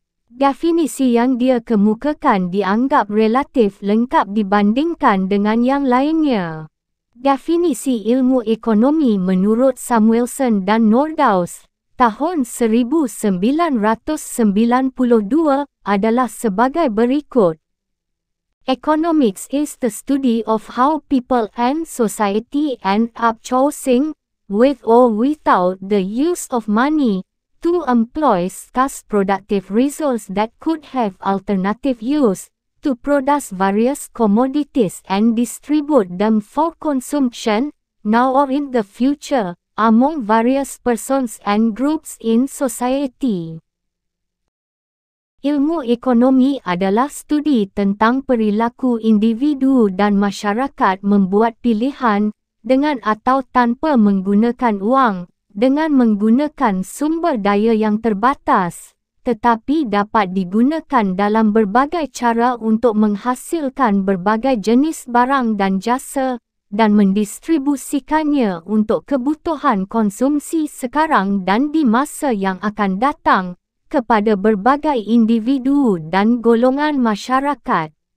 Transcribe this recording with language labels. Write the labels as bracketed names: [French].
[Indonesian] Definisi yang dia kemukakan dianggap relatif lengkap dibandingkan dengan yang lainnya. Definisi ilmu ekonomi menurut Samuelson dan Nordhaus, tahun 1992, adalah sebagai berikut. [English] Economics is the study of how people and society end up choosing, with or without the use of money, to employ scarce productive resources that could have alternative use, to produce various commodities and distribute them for consumption, now or in the future, among various persons and groups in society. [Indonesian] Ilmu ekonomi adalah studi tentang perilaku individu dan masyarakat membuat pilihan dengan atau tanpa menggunakan wang, dengan menggunakan sumber daya yang terbatas, tetapi dapat digunakan dalam berbagai cara untuk menghasilkan berbagai jenis barang dan jasa dan mendistribusikannya untuk kebutuhan konsumsi sekarang dan di masa yang akan datang, kepada berbagai individu dan golongan masyarakat.